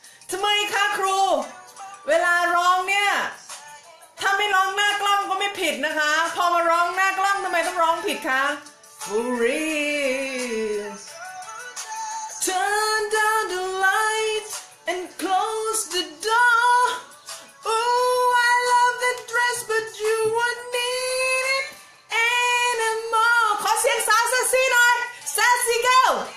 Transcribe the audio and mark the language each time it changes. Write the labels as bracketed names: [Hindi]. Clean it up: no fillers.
[Thai] ทำไมคะครูเวลาร้องเนี่ยถ้าไม่ร้องหน้ากล้องก็ไม่ผิดนะคะพอมาร้องหน้ากล้องทำไมต้องร้องผิดคะ [English] For real Turn down the light and close the door Ooh, I love that dress but you won't need it anymore [Thai] ขอเสียงสาวเซซี่หน่อย [English] Sassy girl